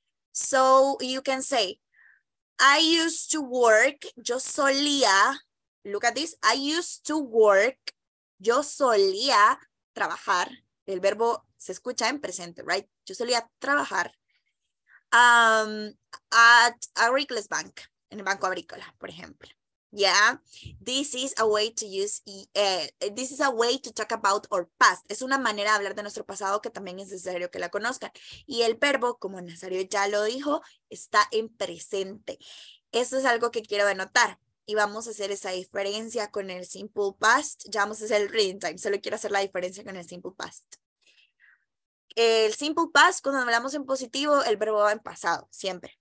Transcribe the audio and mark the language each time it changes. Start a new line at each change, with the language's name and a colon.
English: So you can say, I used to work,
Spanish: yo solía,
English: look at this, I used to work,
Spanish: yo solía trabajar, el verbo se escucha en presente,
English: right?
Spanish: Yo solía trabajar
English: at Agricola's Bank,
Spanish: en el Banco Agrícola, por ejemplo.
English: Yeah, this is a way to use, this is a way to talk about our past.
Spanish: Es una manera de hablar de nuestro pasado que también es necesario que la conozcan. Y el verbo, como Nazario ya lo dijo, está en presente. Eso es algo que quiero denotar. y vamos a hacer esa diferencia con el simple past. Ya vamos a hacer el reading time. Solo quiero hacer la diferencia con el simple past. El simple past, cuando hablamos en positivo, el verbo va en pasado, siempre.